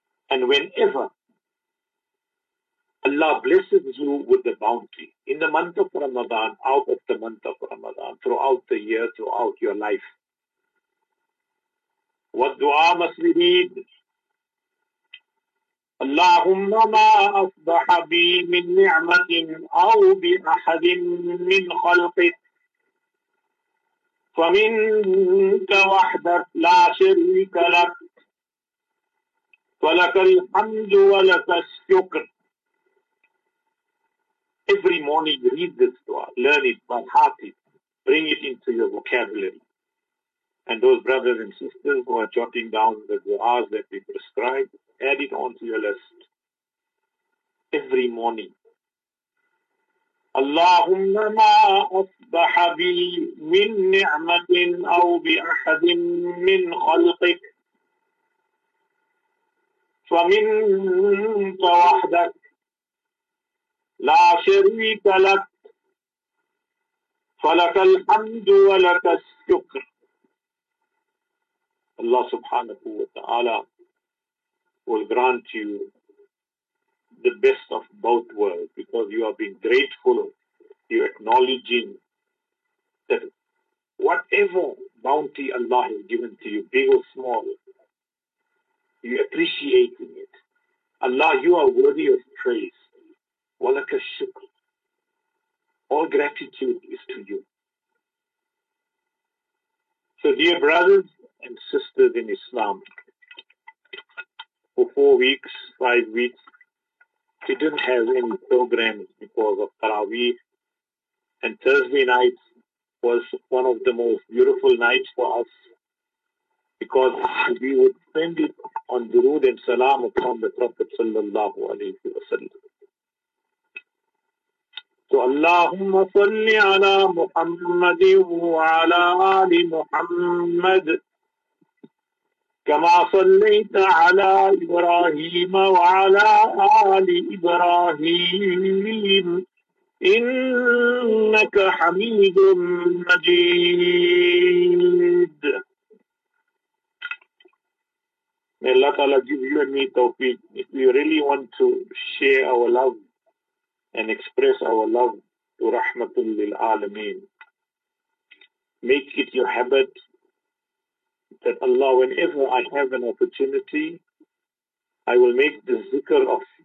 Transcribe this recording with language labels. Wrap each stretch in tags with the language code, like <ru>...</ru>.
<en>And whenever Allah blesses you with the bounty, in the month of Ramadan, out of the month of Ramadan, throughout the year, throughout your life, what dua must we read?</en> <ar>اللهم ما أصبح بي من نعمة أو بأحد من خلقك فمنك وحدك لا شريك لك ولك الحمد ولك الشكر</ar> <en>every morning you read this dua, learn it by heart, it, bring it into your vocabulary. And those brothers and sisters who are jotting down the du'as that we prescribe, add it onto your list every morning.</en> <ar>اللهم ما أصبح بي من نعمة أو بأحد من خلقك فمنك وحدك لا شريك لك فلك الحمد ولك الشكر.</ar> <en>Allah subhanahu wa ta'ala will grant you the best of both worlds, because you have been grateful, you acknowledging that whatever bounty Allah has given to you, big or small, you appreciating it. Allah, you are worthy of praise.</en> <ar>Walaka shukr.</ar> <en>All gratitude is to you. So dear brothers and sisters in Islam, for 4 weeks, 5 weeks, we didn't have any programs because of Taraweeh. And Thursday night was one of the most beautiful nights for us, because we would spend it on durood and salam upon the Prophet sallallahu alayhi wa sallam. So</en> <ar>Allahumma salli ala Muhammadi wa ala ali Muhammad كما صليت على إبراهيم وعلى آل إبراهيم إنك حميد مجيد.</ar> <en>May Allah Ta'ala give you and me tawfiq. If we really want to share our love and express our love to Rahmatul Lil Alameen, make it your habit that Allah, whenever I have an opportunity, I will make the zikr of</en>